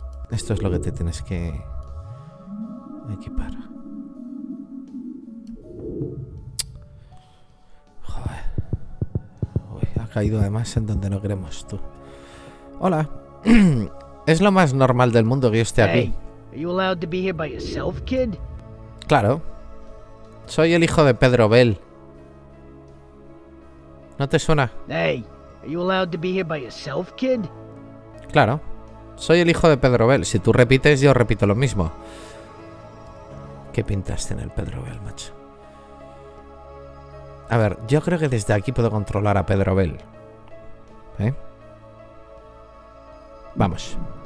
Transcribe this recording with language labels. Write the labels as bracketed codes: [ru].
[es] Esto es lo que te tienes que equipar. Joder. Uy, ha caído además en donde no queremos, tú. Hola. Es lo más normal del mundo que yo esté aquí. [en] Hey, are you allowed to be here by yourself, kid? [es] Claro. Soy el hijo de Pedro Bell. ¿No te suena? [en] Hey, are you allowed to be here by yourself, kid? [es] Claro. Soy el hijo de Pedro Bell. Si tú repites, yo repito lo mismo. ¿Qué pintas en el Pedro Bell, macho? A ver, yo creo que desde aquí puedo controlar a Pedro Bell. ¿Eh? Vamos.